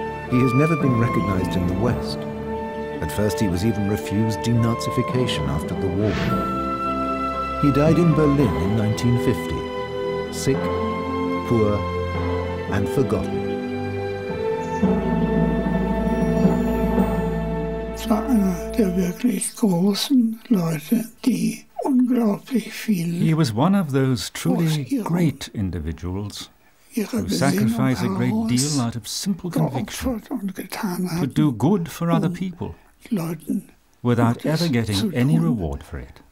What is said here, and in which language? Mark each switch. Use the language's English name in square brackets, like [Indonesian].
[English] He has never been recognized in the West. At first, he was even refused denazification after the war. He died in Berlin in 1950, sick, poor, and forgotten. [German] Es war einer der wirklich großen Leute, die unglaublich viel. [English] He was one of those truly great individuals who sacrificed a great deal out of simple conviction to do good for other people without ever getting any reward for it.